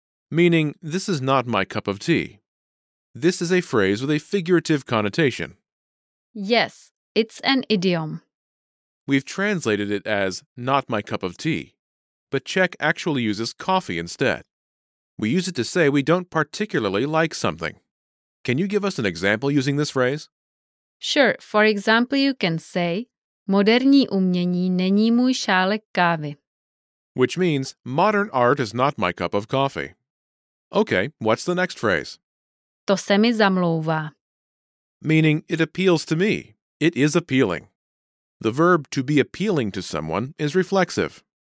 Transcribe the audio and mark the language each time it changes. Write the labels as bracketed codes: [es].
[en] Meaning, this is not my cup of tea. This is a phrase with a figurative connotation. Yes, it's an idiom. We've translated it as not my cup of tea, but Czech actually uses coffee instead. We use it to say we don't particularly like something. Can you give us an example using this phrase? Sure, for example, you can say [cs] moderní umění není můj šálek kávy. [en] Which means modern art is not my cup of coffee. Okay, what's the next phrase? [cs] To se mi zamlouvá. [en] Meaning it appeals to me. It is appealing. The verb to be appealing to someone is reflexive.